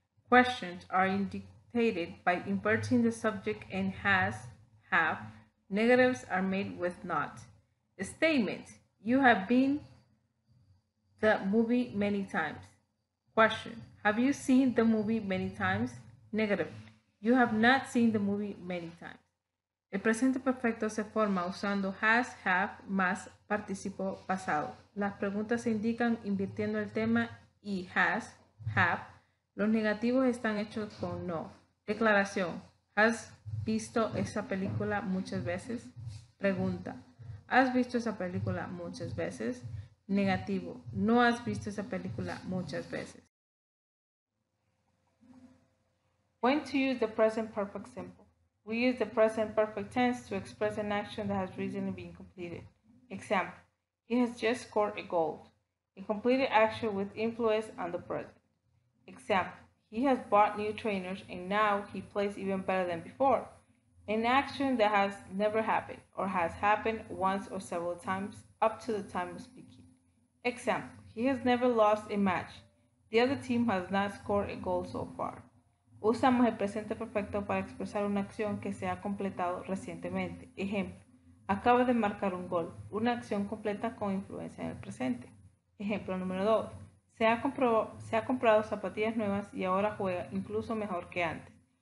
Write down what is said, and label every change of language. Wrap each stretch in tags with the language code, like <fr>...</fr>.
<en>Questions are indicated by inverting the subject and has, have. Negatives are made with not. A statement, you have been to the movie many times. Question, have you seen the movie many times? Negative, you have not seen the movie many times.</en> <es>El presente perfecto se forma usando has, have, más participio pasado. Las preguntas se indican invirtiendo el tema y has, have. Los negativos están hechos con no. Declaración. ¿Has visto esa película muchas veces? Pregunta. ¿Has visto esa película muchas veces? Negativo. No has visto esa película muchas veces.</es> <en>When to use the present perfect simple. We use the present perfect tense to express an action that has recently been completed. Example, he has just scored a goal. A completed action with influence on the present. Example, he has bought new trainers and now he plays even better than before. An action that has never happened or has happened once or several times up to the time of speaking. Example, he has never lost a match. The other team has not scored a goal so far.</en> <es>Usamos el presente perfecto para expresar una acción que se ha completado recientemente. Ejemplo, acaba de marcar un gol, una acción completa con influencia en el presente. Ejemplo número 2. Se ha comprado zapatillas nuevas y ahora juega incluso mejor que antes.</es>